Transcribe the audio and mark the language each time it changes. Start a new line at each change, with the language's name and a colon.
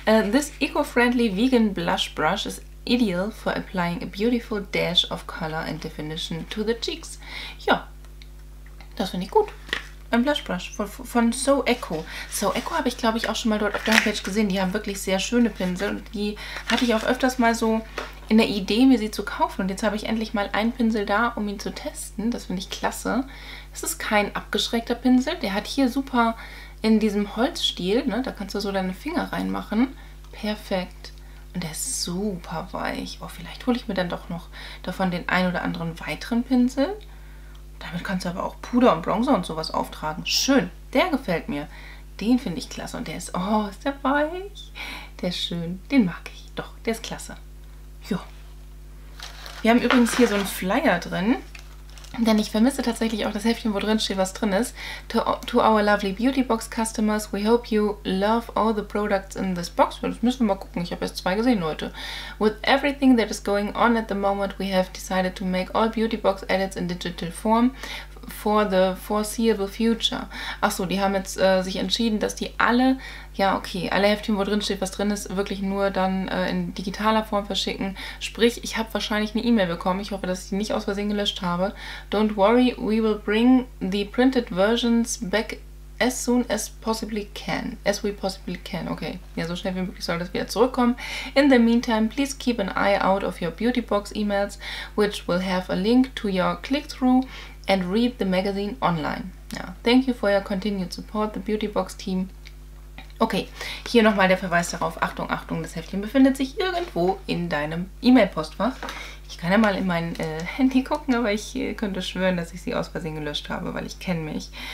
English: This eco-friendly vegan blush brush is ideal for applying a beautiful dash of color and definition to the cheeks.
German: Ja, das finde ich gut. Ein Blush Brush von So Echo. So Echo habe ich, glaube ich, auch schon mal dort auf der Homepage gesehen. Die haben wirklich sehr schöne Pinsel und die hatte ich auch öfters mal so in der Idee, mir sie zu kaufen. Und jetzt habe ich endlich mal einen Pinsel da, um ihn zu testen. Das finde ich klasse. Es ist kein abgeschrägter Pinsel. Der hat hier super in diesem Holzstiel, ne, da kannst du so deine Finger reinmachen. Perfekt. Und der ist super weich. Oh, vielleicht hole ich mir dann doch noch davon den ein oder anderen weiteren Pinsel. Damit kannst du aber auch Puder und Bronzer und sowas auftragen. Schön. Der gefällt mir. Den finde ich klasse. Und der ist, oh, ist der weich. Der ist schön. Den mag ich. Doch, der ist klasse. Jo. Wir haben übrigens hier so einen Flyer drin. Denn ich vermisse tatsächlich auch das Heftchen, wo drin steht, was drin ist.
English: To our lovely Beauty Box Customers, we hope you love all the products in this box.
German: Das müssen wir mal gucken, ich habe erst zwei gesehen, Leute.
English: With everything that is going on at the moment, we have decided to make all Beauty Box edits in digital form for the foreseeable future.
German: Achso, die haben jetzt sich entschieden, dass die alle, ja okay, alle Heftchen, wo drin steht, was drin ist, wirklich nur dann in digitaler Form verschicken. Sprich, ich habe wahrscheinlich eine E-Mail bekommen. Ich hoffe, dass ich die nicht aus Versehen gelöscht habe.
English: Don't worry, we will bring the printed versions back as soon as possibly can. As we possibly can. Okay.
German: Ja, so schnell wie möglich soll das wieder zurückkommen.
English: In the meantime, please keep an eye out of your Beauty Box emails, which will have a link to your click-through and read the magazine online. Ja. Thank you for your continued support, the Beauty Box team.
German: Okay, hier nochmal der Verweis darauf. Achtung, Achtung, das Heftchen befindet sich irgendwo in deinem E-Mail-Postfach. Ich kann ja mal in mein Handy gucken, aber ich könnte schwören, dass ich sie aus Versehen gelöscht habe, weil ich kenne mich.